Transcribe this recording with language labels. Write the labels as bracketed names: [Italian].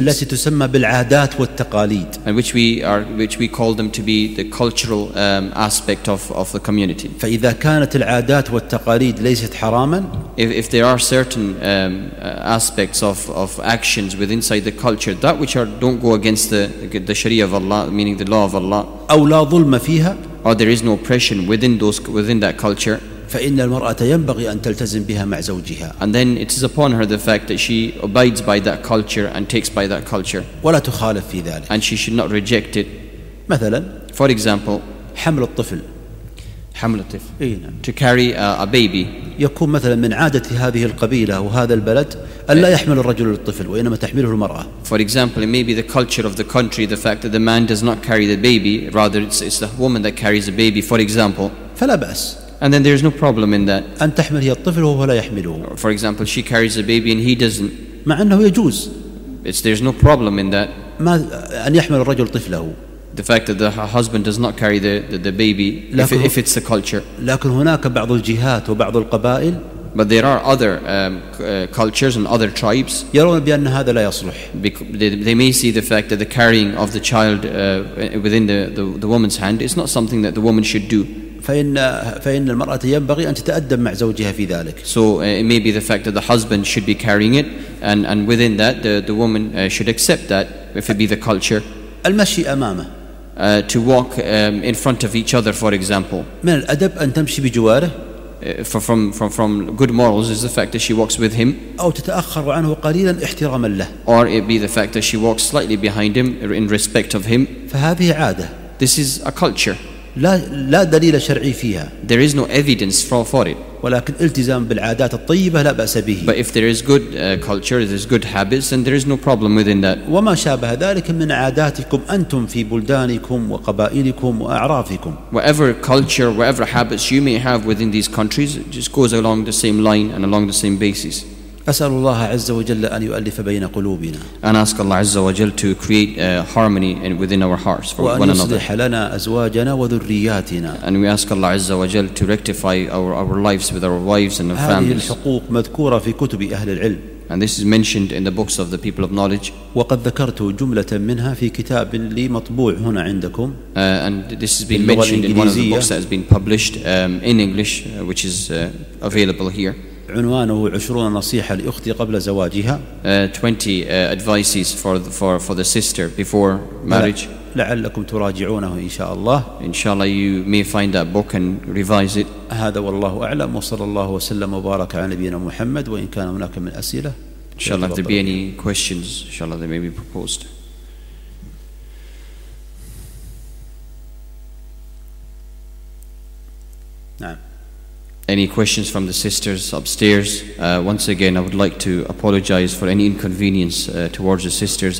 [Arabic] التي تسمى بالعادات والتقاليد. [English] And which we call them to be the cultural aspect of the community. [Arabic] فإذا كانت العادات والتقاليد ليست حراما. [English] If there are certain aspects of action. With inside the culture that which are don't go against the Sharia of Allah, meaning the law of Allah, [Arabic] أو لا ظلم فيها, [English] or there is no oppression within that culture. [Arabic] فإن المرأة ينبغي أن تلتزم بها مع زوجها. [English] And then it is upon her the fact that she abides by that culture and takes by that culture. [Arabic] ولا تخالف في ذلك. [English] And she should not reject it. [Arabic] مثلا, [English] for example, [Arabic] حمل الطفل. حمل الطفل. إيه نعم. [English] To carry a baby. [Arabic] يكون مثلا من عادة هذه القبيلة وهذا البلد أن لا يحمل الرجل الطفل وإنما تحمله المرأة. [English] For example, it may be the culture of the country, the fact that the man does not carry the baby, rather it's the woman that carries the baby, for example. [Arabic] فلا بأس. [English] And then there's no problem in that. [Arabic] أن تحمل هي الطفل وهو لا يحمله. [English] For example, she carries the baby and he doesn't. [Arabic] مع أنه يجوز. [English] There's no problem in that. [Arabic] ما أن يحمل الرجل طفله. [English] The fact that the husband does not carry the baby, if it's the culture. [Arabic] لكن هناك بعض الجهات وبعض القبائل. [English] But there are other cultures and other tribes. [Arabic] يرون بأن هذا لا يصلح. [English] They may see the fact that the carrying of the child within the woman's hand is not something that the woman should do. [Arabic] فإن المرأة ينبغي أن تتأدب مع زوجها في ذلك. [English] So it may be the fact that the husband should be carrying it, and within that the woman should accept that if it be the culture. [Arabic] المشي أمامه. [English] To walk in front of each other, for example. [Arabic] من الأدب أن تمشي بجواره. [English] From good morals is the fact that she walks with him. [Arabic] أو تتأخر عنه قليلا احتراما له. [English] Or it be the fact that she walks slightly behind him in respect of him. [Arabic] فهذه عادة. [English] This is a culture. [Arabic] لا دليل شرعي فيها. [English] There is no evidence for it. [Arabic] ولكن التزام بالعادات الطيبة لا بأس به. [English] But if there is good culture, there is good habits, and there is no problem within that. [Arabic] وما شابه ذلك من عاداتكم أنتم في بلدانكم وقبائلكم وأعرافكم. [English] Whatever culture, whatever habits you may have within these countries, just goes along the same line and along the same basis. [Arabic] أسأل الله عز وجل أن يؤلف بين قلوبنا. [English] And ask Allah عز وجل to create harmony within our hearts for one another. [Arabic] وأصلح لنا أزواجنا وذرياتنا. [English] And we ask Allah عز وجل to rectify our lives with our wives and our families. [Arabic] هذه الحقوق مذكورة في كتب أهل العلم. [English] And this is mentioned in the books of the people of knowledge. [Arabic] وقد ذكرت جملة منها في كتاب لي مطبوع هنا عندكم. [English] And this has been mentioned in one of the books that has been published in English, which is available here. [Arabic] عنوانه 20 نصيحة لأختي قبل زواجها. [English] 20 advices for the sister before marriage. [Arabic] لعلكم تراجعونه إن شاء الله. [English] إن شاء الله you may find that book and revise it. [Arabic] هذا والله أعلم وصلى الله وسلم وبارك على نبينا محمد وإن كان هناك من أسئلة. [English] إن شاء الله if there be any questions, إن شاء الله they may be proposed. [Arabic] نعم. [English] Any questions from the sisters upstairs? Once again, I would like to apologize for any inconvenience towards the sisters.